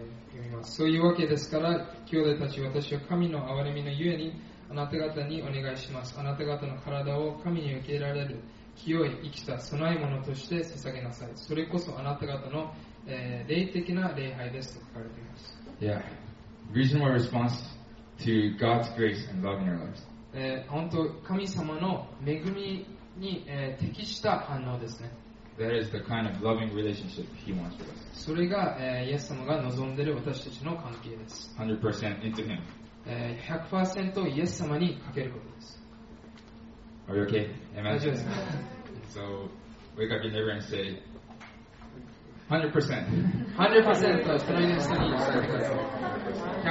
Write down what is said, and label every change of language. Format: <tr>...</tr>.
<ja>読みます。そういうわけですから、兄弟たち、私は神の憐れみのゆえに、あなた方にお願いします。あなた方の体を神に受けられる、清い、生きた備え物として捧げなさい。それこそあなた方の霊的な礼拝ですと書かれています。</ja> <en>Yeah, reasonable response to God's grace and love in your lives.</en> <ja>本当神様の恵みに、適した反応ですね。</ja> <en>That is the kind of loving relationship He wants with us.</en> <ja>それが、イエス様が望んでいる私たちの関係です。</ja> <en>100% into Him.</en> <ja>100% イエス様にかけることです。</ja> <en>Are you okay? Amen.</en> <ja>大丈夫ですか?</ja> <en>So wake up in the room and say. 100%.</en> <ja>100% は人の人に伝えてください。</ja>